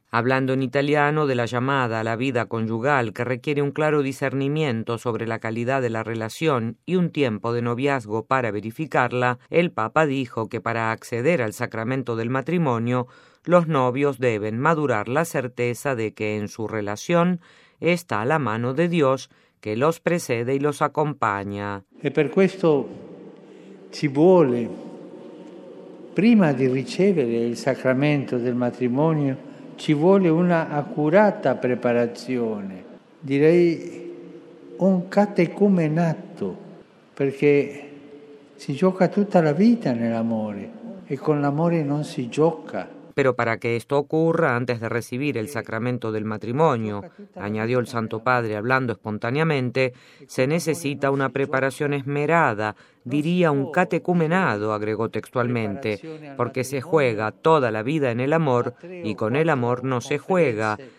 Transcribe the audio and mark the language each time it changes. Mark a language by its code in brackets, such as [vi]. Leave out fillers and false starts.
[es] Hablando en italiano de la llamada a la vida conyugal, que requiere un claro discernimiento sobre la calidad de la relación y un tiempo de noviazgo para verificarla, el Papa dijo que para acceder al sacramento del matrimonio, los novios deben madurar la certeza de que en su relación está la mano de Dios, que los precede y los acompaña. [it] E per questo ci vuole, prima di ricevere il sacramento del matrimonio, ci vuole una accurata preparazione, direi un catecumenato, perché si gioca tutta la vita nell'amore e con l'amore non si gioca. [es] Pero para que esto ocurra, antes de recibir el sacramento del matrimonio, añadió el Santo Padre hablando espontáneamente, se necesita una preparación esmerada, diría un catecumenado, agregó textualmente, porque se juega toda la vida en el amor y con el amor no se juega.